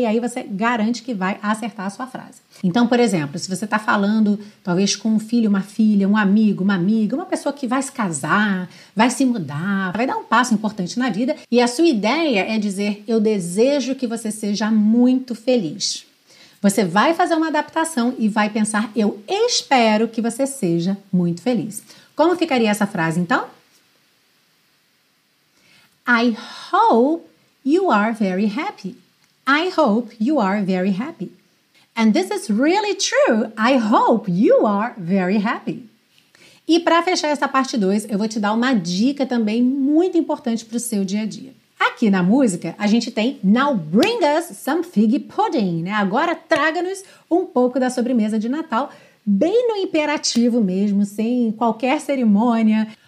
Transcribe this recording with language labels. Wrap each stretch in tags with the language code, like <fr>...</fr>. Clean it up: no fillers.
<pt>E aí você garante que vai acertar a sua frase. Então, por exemplo, se você está falando talvez com um filho, uma filha, um amigo, uma amiga, uma pessoa que vai se casar, vai se mudar, vai dar um passo importante na vida, e a sua ideia é dizer, eu desejo que você seja muito feliz. Você vai fazer uma adaptação e vai pensar, eu espero que você seja muito feliz. Como ficaria essa frase, então?</pt> <en>I hope you are very happy. I hope you are very happy. And this is really true. I hope you are very happy.</en> <pt>E para fechar essa parte 2, eu vou te dar uma dica também muito importante para o seu dia a dia. Aqui na música, a gente tem</pt> <en>Now bring us some fig pudding,</en> <pt>né? Agora traga-nos um pouco da sobremesa de Natal, bem no imperativo mesmo, sem qualquer cerimônia.</pt>